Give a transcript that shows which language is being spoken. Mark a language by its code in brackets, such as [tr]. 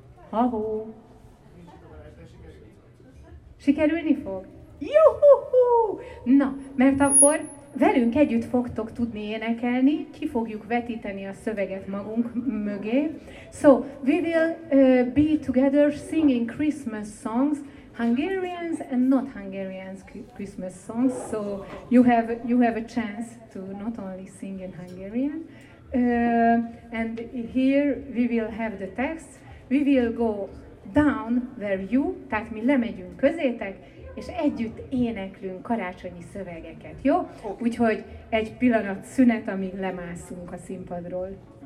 [hu] Ha-hó! Sikerülni fog? Juhu-hú! Na, mert akkor velünk együtt fogtok tudni énekelni, ki fogjuk vetíteni a szöveget magunk mögé. [en] So, we will be together singing Christmas songs, Hungarians and not Hungarians Christmas songs. So, you have a chance to not only sing in Hungarian. And here we will have the text. We will go down where you, [hu] tehát mi lemegyünk közétek, és együtt éneklünk karácsonyi szövegeket, jó? [en] Okay. [hu] Úgyhogy egy pillanat szünet, amíg lemászunk a színpadról.